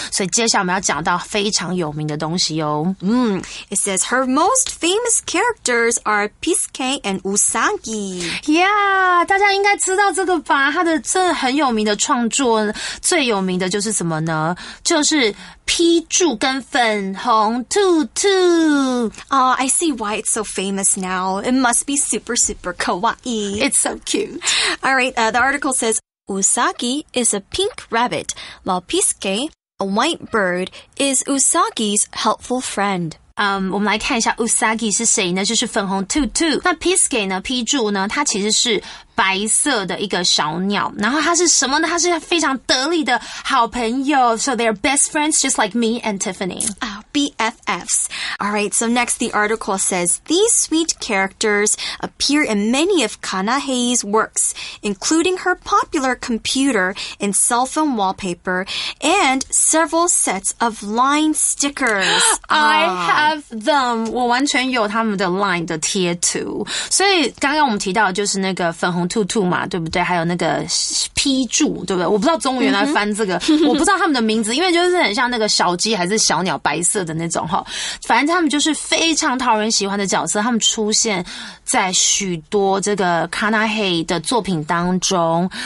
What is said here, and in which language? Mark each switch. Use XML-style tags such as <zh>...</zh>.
<zh>所以接下来我们要讲到非常有名的东西哦。</zh> <en>It says her most famous characters are Pisuke and Usagi.</en> <zh>Yeah, 大家应该知道这个吧它的真的很有名的创作最有名的就是什么呢就是批注跟粉红兔兔</zh> <en>Oh, I see why it's so famous now. It must be super, super kawaii. It's so cute. Alright, the article says, Usagi is a pink rabbit, while Pisuke, a white bird, is Usagi's helpful friend.</en> <zh>我们来看一下 Usagi 是谁呢就是粉红兔兔。那 Pisuke 呢批注呢它其实是白色的一个小鸟。然后它是什么呢它是非常得力的好朋友。</zh> <en>So they're best friends just like me and Tiffany. Oh, BFFs. Alright, so next the article says, these sweet characters appear in many of Kanahei's works, including her popular computer and cell phone wallpaper and several sets of line stickers.</en> <zh>I have them. 我完全有他们的 line 的贴图。所以刚刚我们提到的就是那个粉红兔兔嘛对不对还有那个批注对不对我不知道中文原来翻这个。我不知道他们的名字因为就是很像那个小鸡还是小鸟白色的那种齁。反正他们就是非常讨人喜欢的角色他们出现在许多这个 Kanahei 的作品当中。</zh>